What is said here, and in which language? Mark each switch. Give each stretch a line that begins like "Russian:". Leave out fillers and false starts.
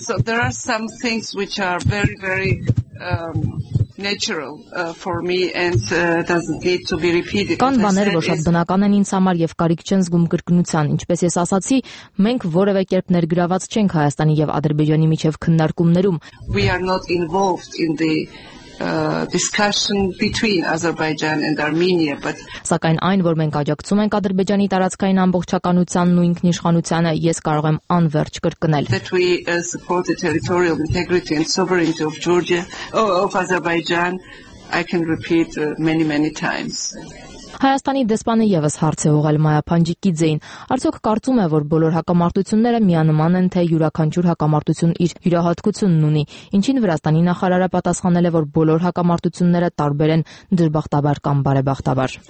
English: So there are some things which are very very natural for me and doesn't need to be repeated.
Armenian: Կան բաներ, որ շատ բնական են ինձ համար եւ կարիք չեն զգում կրկնության։ Ինչպես ես ասացի, մենք որևէ կերպ ներգրաված չենք Հայաստանի եւ Ադրբեջանի միջև քննարկումներում։
English: We are not involved in the discussion between Azerbaijan and Armenia, but
Armenian: սակայն այն, որ մենք աջակցում ենք Ադրբեջանի տարածքային ամբողջականության ու ինքնիշխանությանը, ես կարող եմ անվերջ կրկնել.
English: That we support the territorial integrity and sovereignty of Georgia of Azerbaijan, I can repeat many times.
Armenian: Հայաստանի դեսպանը եւս հարց է ուղղել Մայա Փանջիկիձեին. Արդյոք կարծում է, որ բոլոր հակամարտությունները միանման են, թե յուրաքանչյուր հակամարտություն իր յուրահատկությունն ունի, ինչին Վրաստանի նախարարը պատասխանել է, որ բոլոր հակամարտությունները տարբեր են, դժբախտաբար կամ բարեբախտաբար։